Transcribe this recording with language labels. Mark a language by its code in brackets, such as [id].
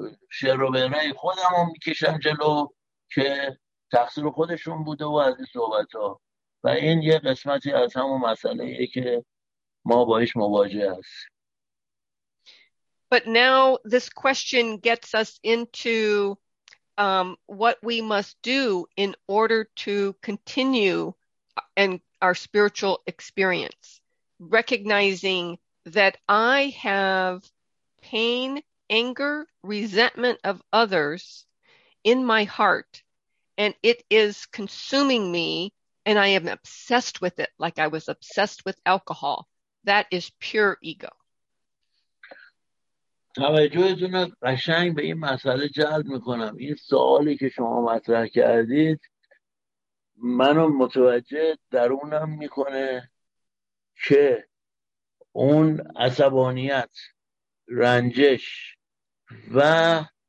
[fa] شروبرهای خودم رو میکشم جلو که تقصیر خودشون بوده و از این صحبت ها، و این یه قسمتی از همون مسئله ایه که ما باهاش مواجه هستیم. [en] But now this question gets us into what we must do in order to continue in our spiritual experience, recognizing that I have pain, anger, resentment of others in my heart, and it is consuming me, and I am obsessed with it like I was obsessed with alcohol. That is pure ego. [fa] توجهتون رو قشنگ به این مسئله جلب میکنم. این سوالی که شما مطرح کردید منو متوجه درونم میکنه که اون عصبانیت، رنجش و